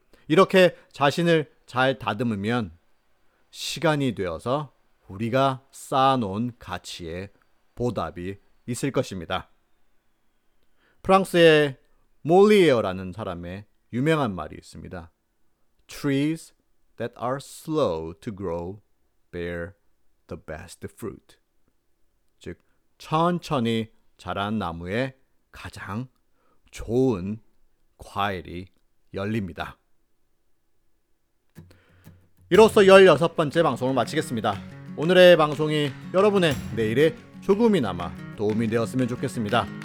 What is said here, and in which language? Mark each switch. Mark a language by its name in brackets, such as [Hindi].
[Korean] 이렇게 자신을 잘 다듬으면 시간이 되어서 우리가 쌓아놓은 가치에 보답이 있을 것입니다. 프랑스의 몰리에어라는 사람의 유명한 말이 있습니다. [English] Trees that are slow to grow bear the best fruit. [Korean] 즉, 천천히 자란 나무에 가장 좋은 과일이 열립니다. 이로써 16번째 방송을 마치겠습니다. 오늘의 방송이 여러분의 내일에 조금이나마 도움이 되었으면 좋겠습니다.